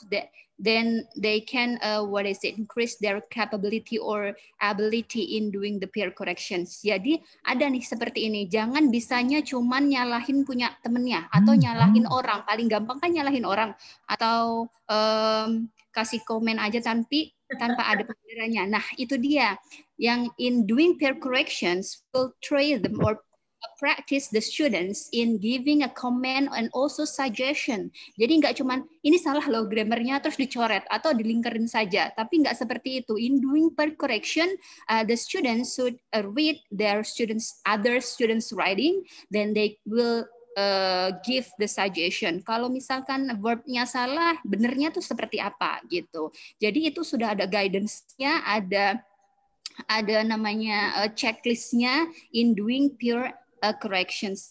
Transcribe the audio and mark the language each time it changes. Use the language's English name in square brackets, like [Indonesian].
[English] That then they can increase their capability or ability in doing the peer corrections. [Indonesian] Jadi ada nih seperti ini. Jangan bisanya cuman nyalahin punya temennya atau nyalahin orang. Paling gampang kan nyalahin orang atau kasih komen aja tanpa ada pengiranya. Nah, itu dia. Yang [English] in doing peer corrections, will train them or practice the students in giving a comment and also suggestion. [Indonesian] Jadi nggak cuman, ini salah loh grammarnya, terus dicoret atau dilingkarin saja. Tapi nggak seperti itu. [English] In doing peer correction, the students should read other students' writing, then they will give the suggestion. [Indonesian] Kalau misalkan verbnya salah, benernya tuh seperti apa gitu. Jadi itu sudah ada guidance-nya, ada namanya checklist-nya [English] in doing peer corrections.